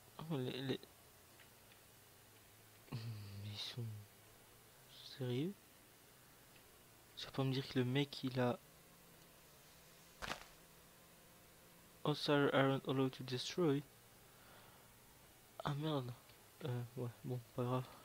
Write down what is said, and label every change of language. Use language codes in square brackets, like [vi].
[fr] Oh, les... ils sont... sérieux? Ça peut me dire que le mec, il a... [en] Oh, sorry, aren't allowed to destroy. [fr] Ah merde, ouais, bon, pas grave.